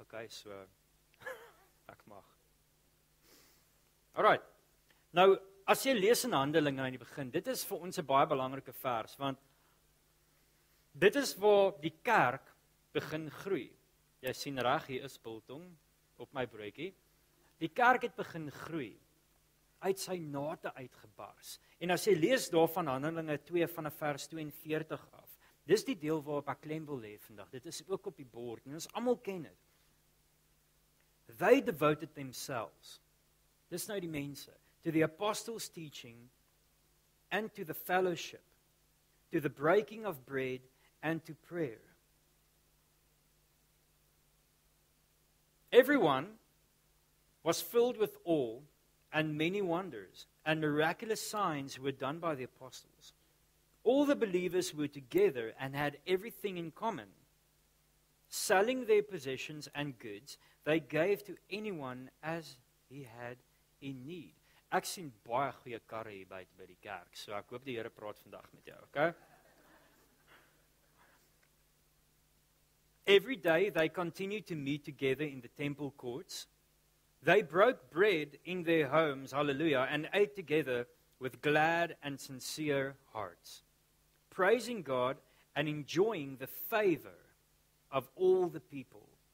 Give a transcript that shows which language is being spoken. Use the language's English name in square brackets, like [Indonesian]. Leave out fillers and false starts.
[Afrikaans] OK, so ek mag. Alright. Nou as jy lees in Handelinge aan die begin, dit is vir ons 'n baie belangrike vers want dit is waar die kerk begin groei. Jy sien reg, hier is biltong op my broodjie. Die kerk het begin groei uit sy nate uitgebars. En as jy lees daarvan Handelinge 2 vanaf vers 42 af, dis die deel waarop ek klem wil hê vandag. Dit is ook op die bord en ons almal ken dit. [English] They devoted themselves. [Afrikaans] Dis nou die mense. [English] To the apostles' teaching and to the fellowship, to the breaking of bread and to prayer. Everyone was filled with awe, and many wonders and miraculous signs were done by the apostles. All the believers were together and had everything in common. Selling their possessions and goods, they gave to anyone as he had in need. [Afrikaans] Ek sien baie goeie karre hier by die kerk, so ek hoop die Here praat vandag met jou, okay? [English] Every day they continued to meet together in the temple courts. They broke bread in their homes, hallelujah, and ate together with glad and sincere hearts, praising God and enjoying the favor of all the people.